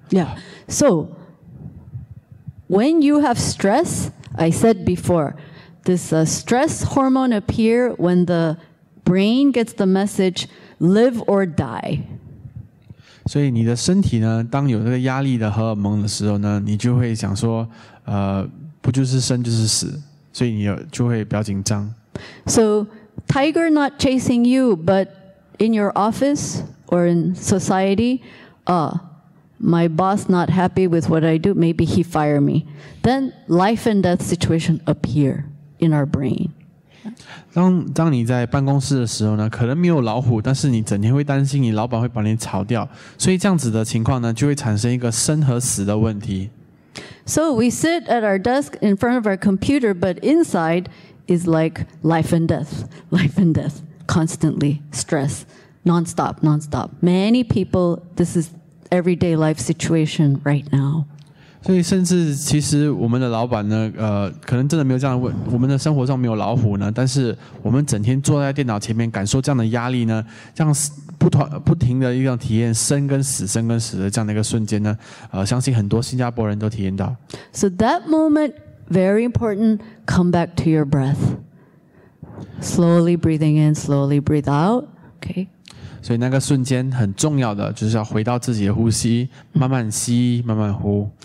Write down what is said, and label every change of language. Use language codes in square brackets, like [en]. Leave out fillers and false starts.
[en] Yeah. So, when you have stress, I said before,This stress hormone appear when the brain gets the message live or die. [zh] 所以你的身体呢，当有这个压力的荷尔蒙的时候呢，你就会想说，不就是生就是死，所以你就会比较紧张。 [en] So tiger not chasing you, but in your office or in society, my boss not happy with what I do, maybe he fire me. Then life and death situation appear. In our brain. [zh] 当你在办公室的时候呢，可能没有老虎，但是你整天会担心你老板会把你炒掉，所以这样子的情况呢，就会产生一个生和死的问题。 [en] So we sit at our desk in front of our computer, but inside is like life and death, constantly stress, nonstop. Many people, this is everyday life situation right now. [zh] 所以甚至其实我们的老板呢，可能真的没有这样的问，我们的生活中没有老虎呢，但是我们整天坐在电脑前面感受这样的压力呢，这样不停的一种体验生跟死的这样的一个瞬间呢，相信很多新加坡人都体验到。 [en] So that moment, very important, come back to your breath. Slowly breathing in, slowly breathe out, okay? [zh] 所以那个瞬间很重要的，就是要回到自己的呼吸，慢慢吸，慢慢呼。